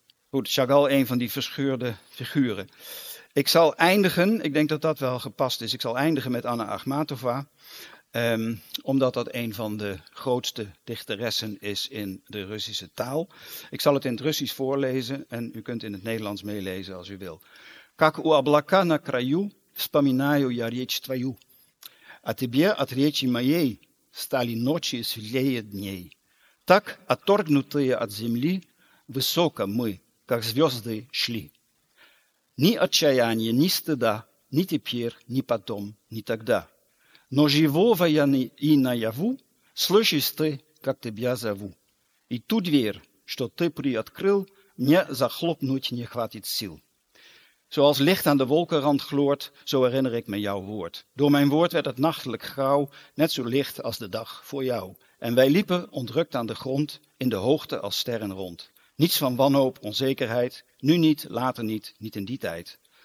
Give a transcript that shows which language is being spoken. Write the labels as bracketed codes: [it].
[nl] Goed, Chagall, een van die verscheurde figuren. Ik zal eindigen, ik denk dat dat wel gepast is, ik zal eindigen met Anna Akhmatova, omdat dat een van de grootste dichteressen is in de Russische taal. Ik zal het in het Russisch voorlezen en u kunt in het Nederlands meelezen als u wil. [ru] Как у облака на краю вспоминаю я речь твою. А тебе от речи моей стали ночи светлее дней. Так, отторгнутые от земли, высоко мы, как звезды, шли. Ни отчаяния, ни стыда, ни теперь, ни потом, ни тогда. Но живого я и наяву, слышишь ты, как тебя зову. И ту дверь, что ты приоткрыл, мне захлопнуть не хватит сил. [nl] Zoals licht aan de wolkenrand gloort, zo herinner ik me jouw woord. Door mijn woord werd het nachtelijk grauw, net zo licht als de dag voor jou. En wij liepen ontrukt aan de grond, in de hoogte als sterren rond. Niets van wanhoop, onzekerheid, nu niet, later niet, niet in die tijd.